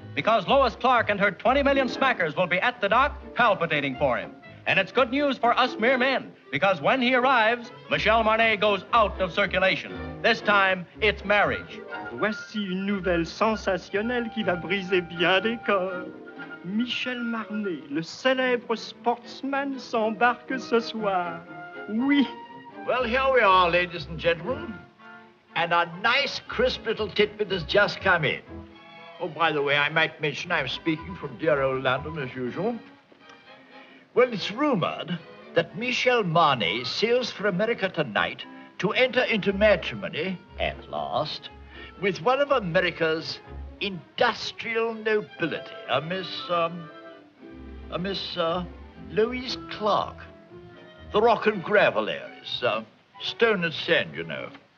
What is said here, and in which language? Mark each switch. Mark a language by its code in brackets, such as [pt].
[en] Because Lois Clark and her 20 million smackers will be at the dock palpitating for him. And it's good news for us mere men, because when he arrives, Michel Marnet goes out of circulation. This time, it's marriage. [fr] Voici une nouvelle sensationnelle qui va briser bien des corps. Michel Marnet, le célèbre sportsman, s'embarque ce soir. Oui. [en] Well, here we are, ladies and gentlemen. And a nice, crisp little tidbit has just come in. Oh, by the way, I might mention I'm speaking from dear old London, as usual. Well, it's rumored that Michel Marnet sails for America tonight to enter into matrimony, at last, with one of America's industrial nobility, Louise Clark, the rock and gravel heiress, stone and sand, you know.